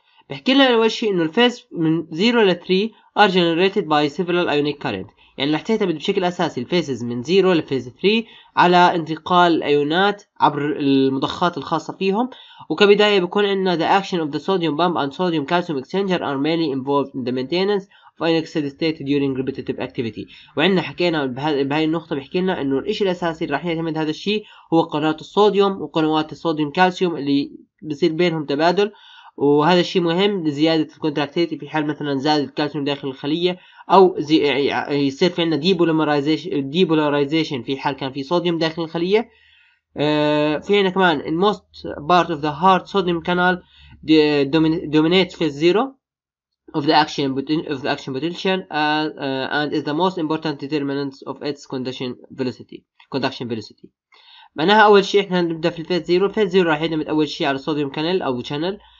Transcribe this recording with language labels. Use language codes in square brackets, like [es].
[ar] بحكي لنا اول شيء انه الفيز من 0 ل 3 [en] are generated by several ionic current، [ar] يعني راح تعتمد بشكل اساسي الفيزز من زيرو لفيز 3 على انتقال الايونات عبر المضخات الخاصه فيهم. وكبدايه بيكون عندنا [en] the action of the sodium pump and sodium calcium exchanger are mainly involved in the maintenance of an oxidative state during repetitive activity. [ar] وعندنا حكينا بهاي النقطه بيحكي لنا انه الشيء الاساسي اللي راح يعتمد هذا الشيء هو قنوات الصوديوم وقنوات الصوديوم كالسيوم اللي بصير بينهم تبادل، وهذا الشيء مهم لزيادة الكونتراكتيليتي في حال مثلا زاد الكالسيوم داخل الخلية، او يصير في عندنا ديبولاريزيشن في حال كان في صوديوم داخل الخلية. في عندنا كمان [en] in most part of the heart sodium canal dominates phase 0 of the action potential and is the most important determinant of its conduction velocity. [ar] معناها اول شيء احنا نبدأ في الفيز 0. الفيز 0 راح يعتمد اول شيء على صوديوم كانال او شانل.